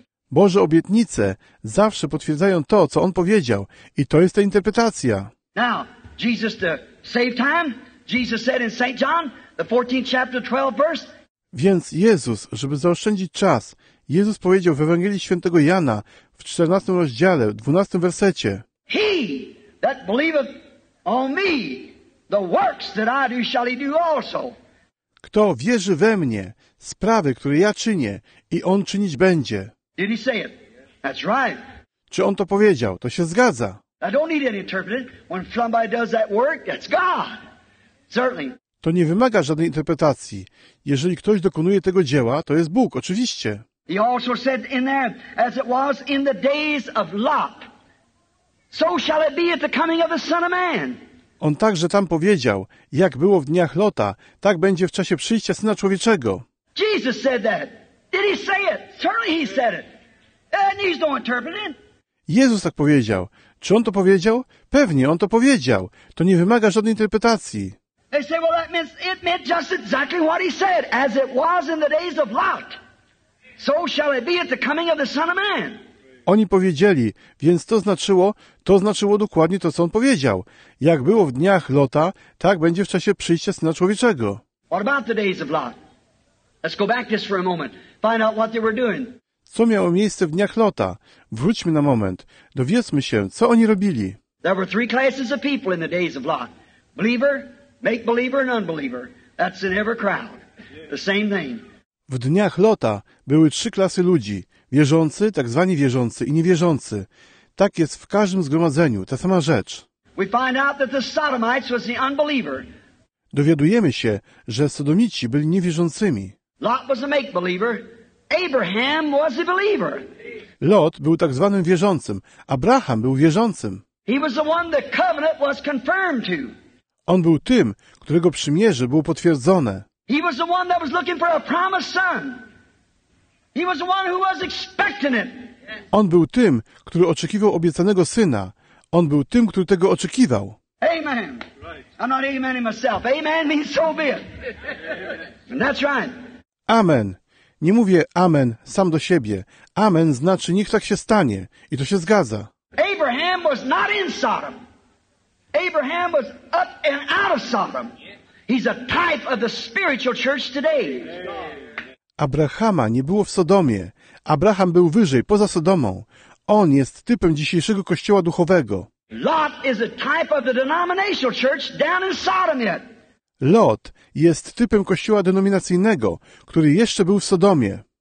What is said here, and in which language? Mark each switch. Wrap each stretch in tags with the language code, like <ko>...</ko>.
<pl>Boże obietnice zawsze potwierdzają to, co On powiedział, i to jest ta interpretacja.</pl> <en>Now, Jesus, to save time, Jesus said in St. John, the 14th chapter, 12th verse.</en> <pl>Więc Jezus, żeby zaoszczędzić czas, Jezus powiedział w Ewangelii Świętego Jana w 14 rozdziale, 12 wersecie.</pl> <en>He that believeth on me, the works that I do shall he do also.</en> <pl>Kto wierzy we mnie, sprawy, które ja czynię, i on czynić będzie.</pl> <en>Did he say it? That's right.</en> <pl>Czy on to powiedział? To się zgadza.</pl> <en>I don't need an interpreter. When somebody does that work, that's God. Certainly.</en> <pl>To nie wymaga żadnej interpretacji. Jeżeli ktoś dokonuje tego dzieła, to jest Bóg, oczywiście.</pl> <en>He also said in there, as it was in the days of Lot, so shall it be at the coming of the Son of Man.</en> <pl>On także tam powiedział, jak było w dniach Lota, tak będzie w czasie przyjścia Syna Człowieczego.</pl> <en>Jesus said that. Did he say it? Certainly he said it. And he's no interpreter.</en> <pl>Jezus tak powiedział. Czy on to powiedział? Pewnie, on to powiedział. To nie wymaga żadnej interpretacji.</pl> <en>They say, well, that means it meant just exactly what he said, as it was in the days of Lot. So shall it be at the coming of the Son of Man.</en> <pl>Oni powiedzieli, więc to znaczyło dokładnie to, co on powiedział. Jak było w dniach Lota, tak będzie w czasie przyjścia Syna Człowieczego.</pl> <en>What about the days of Lot? Let's go back just for a moment. Find out what they were doing.</en> <pl>Co miało miejsce w dniach Lota? Wróćmy na moment. Dowiedzmy się, co oni robili.</pl> <en>There were three classes of people in the days of Lot. Believer, make believer and unbeliever. That's in every crowd. The same thing.</en> <pl>W dniach Lota były trzy klasy ludzi. Wierzący, tak zwani wierzący i niewierzący. Tak jest w każdym zgromadzeniu. Ta sama rzecz.</pl> <en>We find out that the Sodomites was the unbeliever.</en> <pl>Dowiadujemy się, że Sodomici byli niewierzącymi.</pl> <en>Lot was a make believer. Abraham was a believer.</en> <pl>Lot był tak zwanym wierzącym. Abraham był wierzącym.</pl> <en>He was the one that covenant was confirmed to.</en> <pl>On był tym, którego przymierze było potwierdzone.</pl> <en>He was the one that was looking for a promised son. He was the one who was expecting it.</en> <pl>On był tym, który oczekiwał obiecanego syna. On był tym, który tego oczekiwał.</pl> <en>Amen. I'm not amening myself. Amen means so be it. And that's right. Amen.</en> <pl>Nie mówię amen sam do siebie. Amen znaczy niech tak się stanie. I to się zgadza.</pl> <en>Abraham was not in Sodom. Abraham was up and out of Sodom. He's a type of the spiritual church today.</en> <pl>Abrahama nie było w Sodomie. Abraham był wyżej, poza Sodomą. On jest typem dzisiejszego kościoła duchowego.</pl> <en>Lot is a type of the denominational church down in Sodom yet.</en> <pl>Lot jest typem kościoła denominacyjnego, który jeszcze był w Sodomie.</pl>